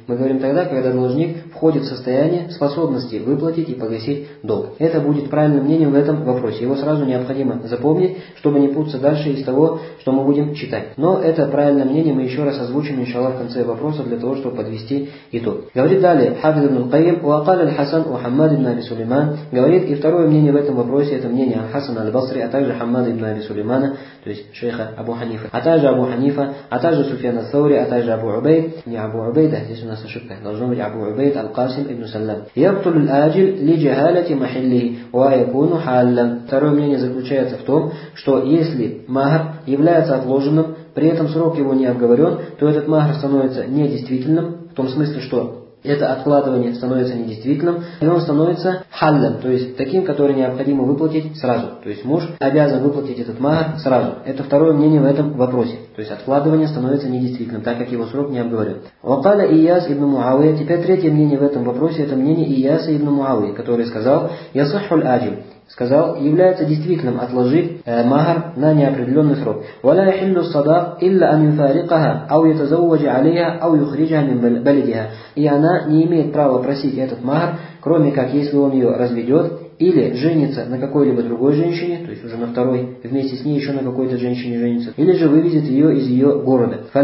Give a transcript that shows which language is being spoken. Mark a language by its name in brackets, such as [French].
[Russian] Мы говорим тогда, когда должник входит в состояние способности выплатить и погасить долг. Это будет правильным мнением в этом вопросе. Его сразу необходимо запомнить, чтобы не путаться дальше из того, что мы будем читать. Но это правильное мнение мы еще раз озвучим, иншаллах, в конце вопроса, для того, чтобы подвести итог. Говорит далее [Arabic] Хафиз ибн аль-Каим, وقال الحسن وحماد بن أبي سليمان. [Russian] Говорит, и второе мнение в этом вопросе, это мнение Хасана аль-Басри, а также Хаммада ибн Аби Сулеймана, то есть шейха Абу Ханифа, а также Абу Ханифа, а также Суфьяна ас-Саури, а также Абу Убейд, не Абу Убейда, здесь у нас ошибка, должно быть Абу Убейд аль-Касим ибн Саллам. [Arabic] يقتل الآجل لجهالة محله ويكون حالا. [Russian] Второе мнение заключается в том, что если махр является отложенным, при этом срок его не обговорен, то этот махр становится недействительным, том смысле, что это откладывание становится недействительным, и он становится халлем, то есть таким, который необходимо выплатить сразу. То есть муж обязан выплатить этот махр сразу. Это второе мнение в этом вопросе. То есть откладывание становится недействительным, так как его срок не обговорен. Вакаля Ияс ибн Муавия. Теперь третье мнение в этом вопросе, это мнение Ияса ибн Муавия, который сказал [Arabic] «Ясахуль аджим». [Russian] Сказал, является действительным отложить махр на неопределенный срок. [Arabic] ولا يحل الصداق إلا أن يفارقها أو يتزوج عليها أو يخرجها من بلدها. [Russian] И она не имеет права просить этот махр, кроме как если он ее разведет или женится на какой-либо другой женщине, то есть уже на второй, вместе с ней еще на какой-то женщине женится, или же вывезет ее из ее города.